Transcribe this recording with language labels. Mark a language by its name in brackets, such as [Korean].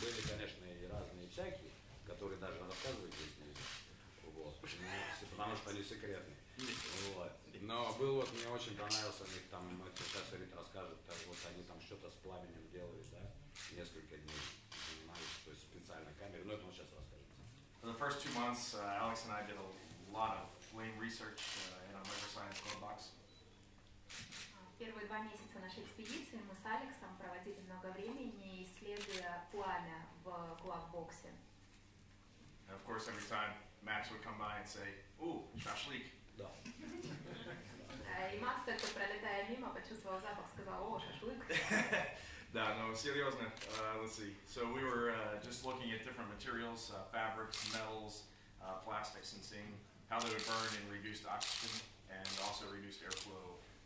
[Russian] Были, конечно, и разные всякие, которые даже рассказывать здесь нельзя, вот. Потому что они секретные. Вот. Но был вот, мне очень понравился у них там, сейчас Рит расскажет, так вот они там что-то с пламенем делали, да, несколько дней занимались, то есть специальной камерой, но это он сейчас расскажет. [English] For the first two months, Alex and I did a lot of flame research in our microscience glove box. [Russian] Первые два месяца нашей экспедиции мы с Алексом проводили много времени, исследуя пламя в глав-боксе. [English] Of course, every time Max would come by and say, "Ooh, trash leak." [Russian] Да. И Макс только пролетая мимо, почувствовал запах, сказал, "О, шашлык." Да, но серьезно. [English] Let's see. So we were just looking at different materials, fabrics, metals, plastics, and seeing how they would burn in reduced oxygen and also reduced airflow.